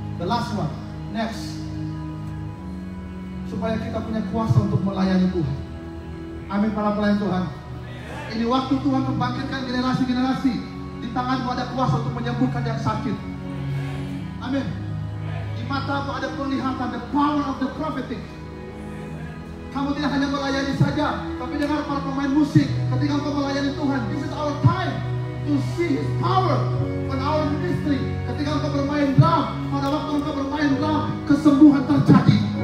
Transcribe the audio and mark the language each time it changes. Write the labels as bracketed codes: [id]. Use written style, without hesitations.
[id] The last one, next. Supaya kita punya kuasa untuk melayani Tuhan. Amin para pelayan Tuhan. Ini waktu Tuhan membangkitkan generasi-generasi. Di tanganmu ada kuasa untuk menyembuhkan yang sakit. Amin. [en] Di matamu ada penglihatan, the power of the prophetic. [id] Kamu tidak hanya melayani saja, tapi dengar para pemain musik. [en] Ketika kau melayani Tuhan, this is our time to see his power on our ministry. [id] Ketika kau bermain drum, pada waktu kau bermain drum, kesembuhan terjadi.